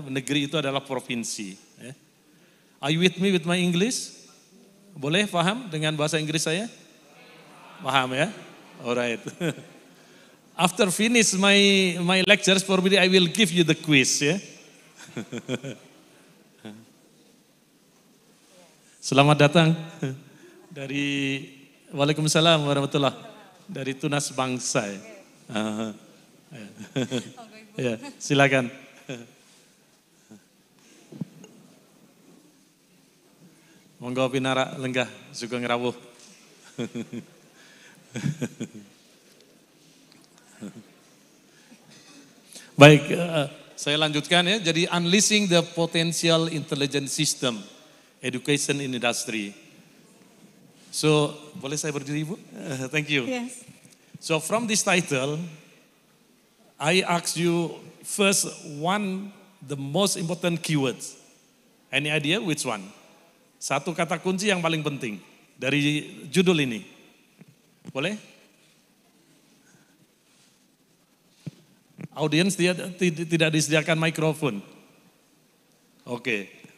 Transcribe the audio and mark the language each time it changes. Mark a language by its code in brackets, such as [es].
[id] Negeri itu adalah provinsi. [en] Yeah? Are you with me with my English? [id] Boleh faham dengan bahasa Inggris saya? Paham ya? Alright. [en] After finish my lectures, probably I will give you the quiz. Yeah? [id] Selamat datang dari Waalaikumsalam warahmatullah dari Tunas Bangsa. Ya? Ya, silakan. [jv] Monggo pinara lenggah sugeng rawuh. [id] Baik, saya lanjutkan ya. [en] Jadi unleashing the potential intelligence system education in industry. [id] So, boleh saya berdiri, Bu? [en] Thank you. Yes. So, from this title, I ask you first one the most important keywords. Any idea which one? [id] Satu kata kunci yang paling penting dari judul ini. Boleh? Audience tidak disediakan mikrofon. Oke.